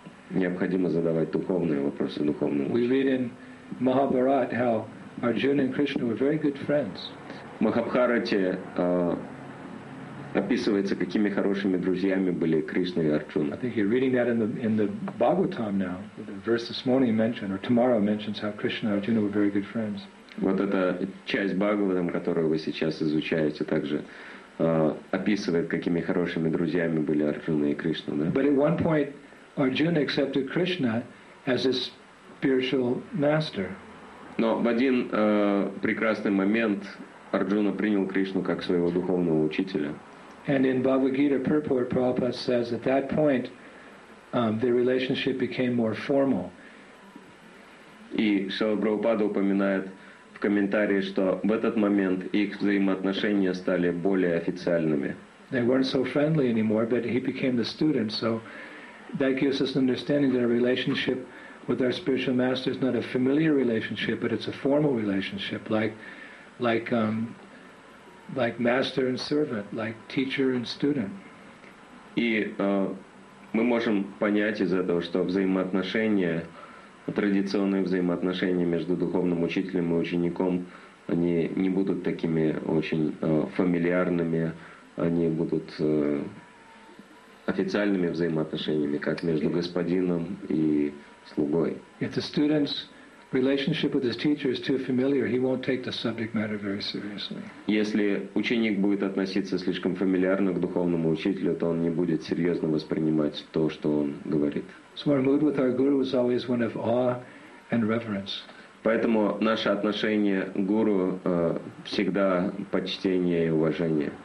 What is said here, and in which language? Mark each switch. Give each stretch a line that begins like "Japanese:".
Russian: Необходимо задавать духовные вопросы духовному учителю.
English: We read in Mahabharata how Arjuna and Krishna were very good friends.
Russian: В Махабхарате описывается, какими хорошими друзьями были Кришна и Арджуна.
English: I think you're reading that in the Bhagavatam now. The verse this morning mentioned, or tomorrow mentions, how Krishna and Arjuna were very good friends.
Russian: Вот эта часть Бхагаватам, которую вы сейчас изучаете, также описывает, какими хорошими друзьями были Арджуна и Кришна. Да?
English: But at one point, Arjuna accepted Krishna as his spiritual master.
Russian: Но в один прекрасный момент Арджуна принял Кришну как своего духовного учителя.
English: And in Bhagavad Gita purport, Prabhupada says at that point their relationship became more formal.
Russian: И Шрила Прабхупада упоминает в комментарии, что в этот момент их взаимоотношения стали более официальными.
English: They weren't so friendly anymore, but he became the student, so that gives us an understanding that our relationship with our spiritual master is not a familiar relationship, but it's a formal relationship, like master and servant, like teacher and student.
Russian: И мы можем понять из этого, что взаимоотношения традиционные взаимоотношения между духовным учителем и учеником, они не будут такими очень фамильярными, они будут официальными взаимоотношениями, как между господином и слугой.
English: If the student's relationship with his teacher is too familiar, he won't take the subject matter very seriously.
Russian: Если ученик будет относиться слишком фамильярно к духовному учителю, то он не будет серьезно воспринимать то, что он говорит.
English: So our mood with our guru is always one of awe and reverence.
Russian: Поэтому наше отношение к гуру всегда почтение и уважение.